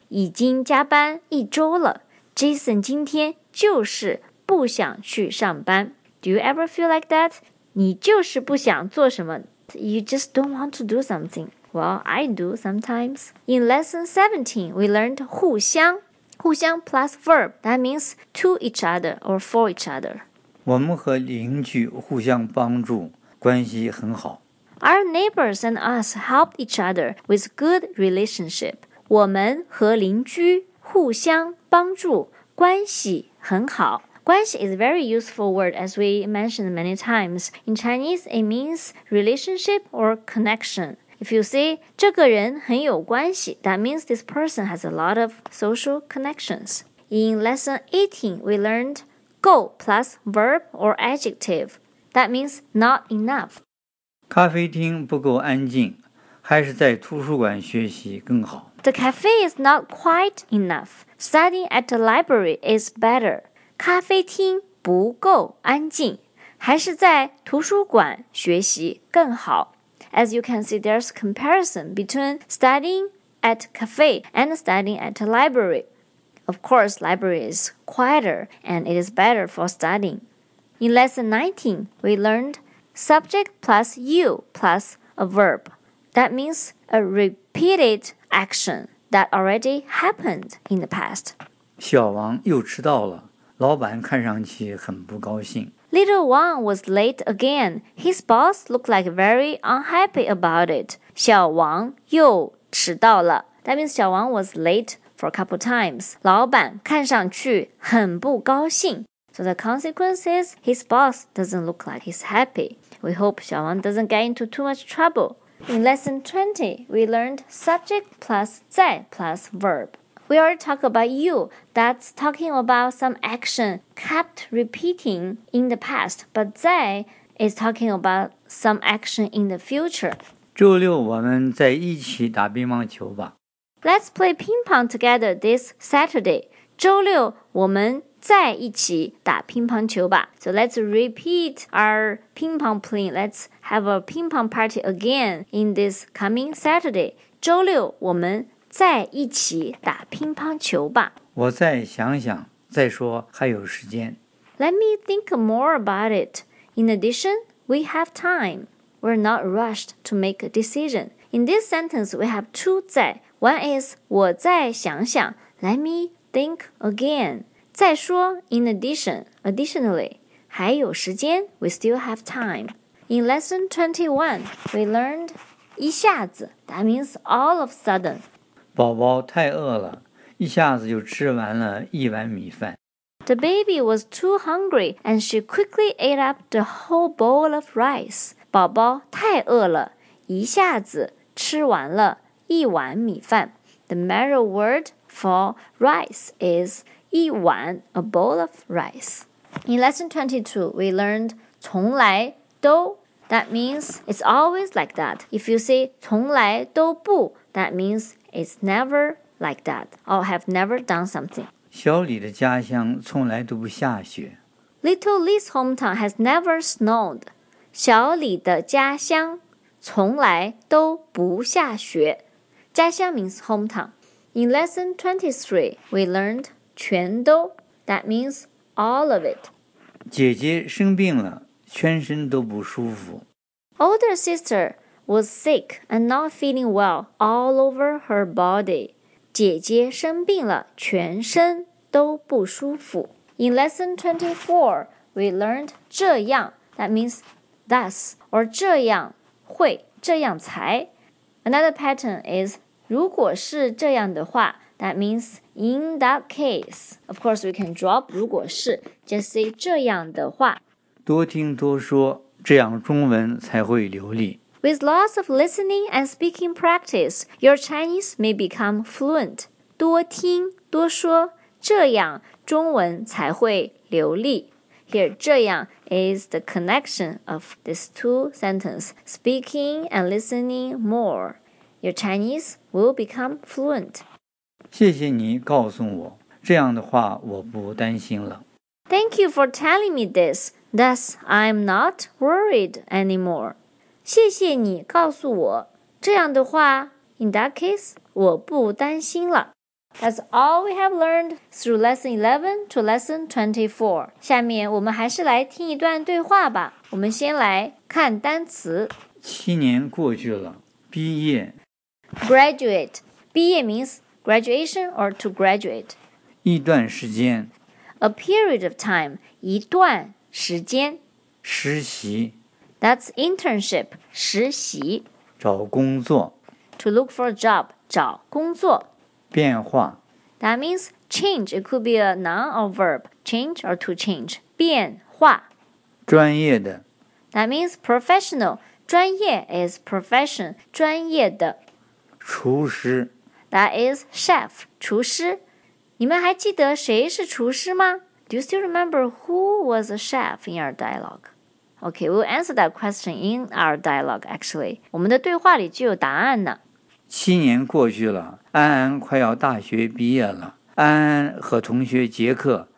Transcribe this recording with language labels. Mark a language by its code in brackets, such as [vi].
[zh] 已经加班一周了。Jason 今天就是不想去上班。 [en] Do you ever feel like that? [zh] 你就是不想做什么。 [en] You just don't want to do something. Well, I do sometimes. In lesson 17, we learned 互相.互相 plus verb. That means to each other or for each other. [zh] 我们和邻居互相帮助,关系很好。 [en] Our neighbors and us help each other with good relationship. [zh] 我们和邻居互相帮助,关系很好。 [en] 关系 is a very useful word as we mentioned many times. In Chinese, it means relationship or connection. If you say, [zh] 这个人很有关系, [en] that means this person has a lot of social connections. In lesson 18, we learned 够 plus verb or adjective. That means not enough. [zh] 咖啡厅不够安静,还是在图书馆学习更好。 [en] The cafe is not quite enough. Studying at the library is better. [zh] 咖啡厅不够安静，还是在图书馆学习更好。 [en] As you can see, there's comparison between studying at cafe and studying at a library. Of course, library is quieter and it is better for studying. In lesson 19, we learned subject plus you plus a verb. That means a repeated action that already happened in the past. [zh] 小王又迟到了，老板看上去很不高兴。 [en] Little Wang was late again. His boss looked like very unhappy about it. [zh] 小王又迟到了。 [en] That means 小王 was late for a couple times. [zh] 老板看上去很不高兴。 [en] So the consequence is his boss doesn't look like he's happy. We hope 小王 doesn't get into too much trouble. In lesson 20, we learned subject plus 在 plus verb. We already talk about you, that's talking about some action kept repeating in the past, but 在 is talking about some action in the future. [zh] 周六我们再一起打乒乓球吧。 [en] Let's play ping pong together this Saturday. [zh] 周六我们再一起打乒乓球吧。 [en] So let's repeat our ping pong playing. Let's have a ping pong party again in this coming Saturday. [zh] 周六我们再一起打乒乓球吧。我再想想，再说还有时间。 [en] Let me think more about it. In addition, we have time. We're not rushed to make a decision. In this sentence, we have two 在. One is [zh] 我再想想 [en] Let me think again. 再说 In addition, additionally, [zh] 还有时间 [en] We still have time. In lesson 21, we learned 一下子 That means all of a sudden. [zh] 宝宝太饿了，一下子就吃完了一碗米饭。 [en] The baby was too hungry, and she quickly ate up the whole bowl of rice. [zh] 宝宝太饿了，一下子吃完了一碗米饭。 [en] The marrow word for rice is 一碗 a bowl of rice. In lesson 22, we learned 从来都 That means it's always like that. If you say 从来都不 That means... It's never like that, or have never done something. [zh] 小李的家乡从来都不下雪。 [en] Little Lee's hometown has never snowed. [zh] 小李的家乡从来都不下雪。 [en] 家乡 means hometown. In lesson 23, we learned 全都 That means all of it. [zh] 姐姐生病了，全身都不舒服。 [en] Older sister... was sick and not feeling well all over her body. [zh] 姐姐生病了，全身都不舒服。 [en] In lesson 24, we learned 这样 that means thus, or 这样会，这样才。 Another pattern is 如果是这样的话 that means in that case. Of course, we can drop 如果是 just say 这样的话。 [zh] 多听多说，这样中文才会流利。 [en] With lots of listening and speaking practice, your Chinese may become fluent. [zh] 多听多说，这样中文才会流利。 [en] Here, 这样 is the connection of these two sentences. Speaking and listening more. Your Chinese will become fluent. [zh] 谢谢你告诉我，这样的话我不担心了。 [en] Thank you for telling me this. Thus, I'm not worried anymore. [zh] 谢谢你告诉我，这样的话 , [en] in that case, [zh] 我不担心了。 [en] That's all we have learned through lesson 11 to lesson 24. [zh] 下面我们还是来听一段对话吧。我们先来看单词。七年过去了，毕业。 [en] Graduate, 毕业 means graduation or to graduate. [zh] 一段时间。 [en] A period of time, 一段时间。 [zh] 实习。 [en] That's internship, 实习。 [zh] 找工作。 [en] To look for a job, 找工作。 [zh] 变化。 [en] That means change, it could be a noun or verb, change or to change, 变化。 [zh] 专业的。 [en] That means professional, 专业 is profession, 专业的。 [zh] 厨师。 [en] That is chef, 厨师。 [zh] 你们还记得谁是厨师吗? [en] Do you still remember who was a chef in our dialogue? Okay, we'll answer that question in our dialogue, actually. [zh] 我们的对话里就有答案呢。七年过去了，安安快要大学毕业了。安安和同学杰克